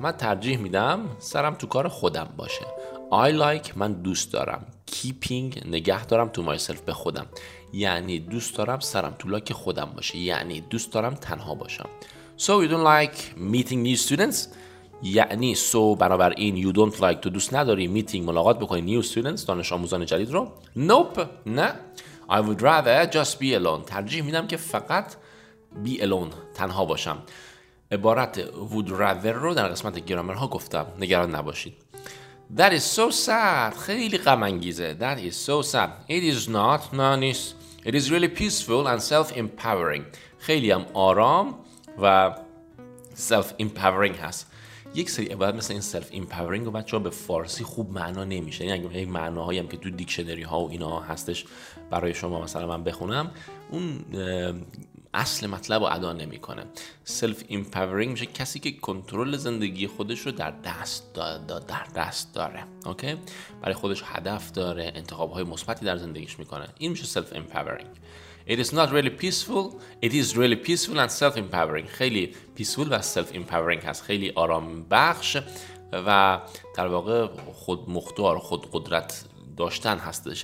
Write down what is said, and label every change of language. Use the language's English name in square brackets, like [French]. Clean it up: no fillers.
[Persian] من ترجیح میدم سرم تو کار خودم باشه. [English] I like [Persian] من دوست دارم. Keeping نگه دارم [English] to myself [Persian] به خودم. یعنی دوست دارم سرم تو لاک خودم باشه. یعنی دوست دارم تنها باشم. [English] So you don't like meeting new students? [Persian] یعنی so بنابراین [English] you don't like [Persian] تو دوست نداری meeting ملاقات بکنی [English] new students [Persian] دانش آموزان جدید رو؟ Nope. نه. [English] I would rather just be alone. [Persian] ترجیح میدم که فقط [English] be alone [Persian] تنها باشم. عبارت would rather رو در قسمت گرامرها گفتم. نگران نباشید. [English] That is so sad. [Persian] خیلی غم انگیزه. [English] That is so sad. It is not. [Persian] نه نیست. [English] It is really peaceful and self-empowering. [Persian] خیلی هم آرام و self-empowering هست. یک سری عبارت مثل این self-empowering رو بچه ها به فارسی خوب معنا نمیشه. یعنی اگه معناهایی هم که تو دیکشنری ها و اینا هستش برای شما مثلا من بخونم اون اصل مطلب رو ادا نمی کنه. Self-empowering میشه کسی که کنترل زندگی خودش رو در دست داره. اوکی؟ برای خودش هدف داره، انتخاب‌های مثبتی در زندگیش میکنه. این میشه self-empowering. [English] It is not really peaceful. It is really peaceful and self-empowering. [Persian] خیلی peaceful و self-empowering هست. خیلی آرام بخش و در واقع خود مختار، خود قدرت داشتن هستش.